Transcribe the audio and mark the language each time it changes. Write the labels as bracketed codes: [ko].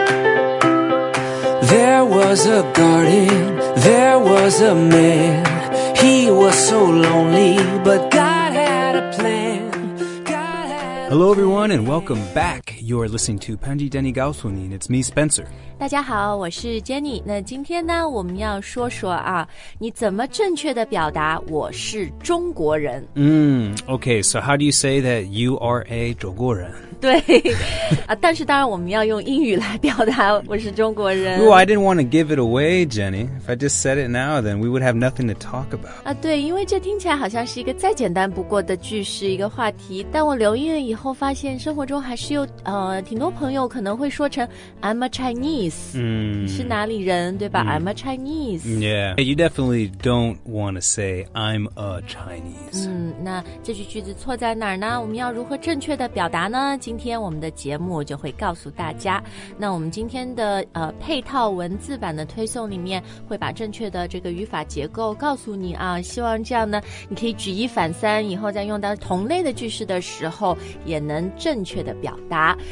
[en] was a garden, there was a man. He was so lonely, but God had a plan. Hello, everyone, and welcome back. You are listening to Panji Denny Gaoswini, and it's me, Spencer. [zh] 大家好，我是 Jenny。那今天呢，我们要说说啊，你怎么正确的表达我是中国人？ [en] Okay, so how do you say that you are a 中国人？ [zh] 对，啊，但是当然我们要用英语来表达我是中国人。 [en] Oh, I didn't want to give it away, Jenny. If I just said it now, then we would have nothing to talk about. [zh] 啊，对，因为这听起来好像是一个再简单不过的句式，一个话题。但我留意了以后，发现生活中还是有挺多朋友可能会说成 I'm a Chinese. 是哪里人，对吧？ I'm a Chinese. [en] Yeah, you definitely don't want to say I'm a Chinese. [zh] 那这句句子错在哪儿呢？我们要如何正确的表达呢？今天我们的节目就会告诉大家。那我们今天的配套文字版的推送里面会把正确的这个语法结构告诉你啊，希望这样呢你可以举一反三，以后在用到同类的句式的时候也能正确的表达。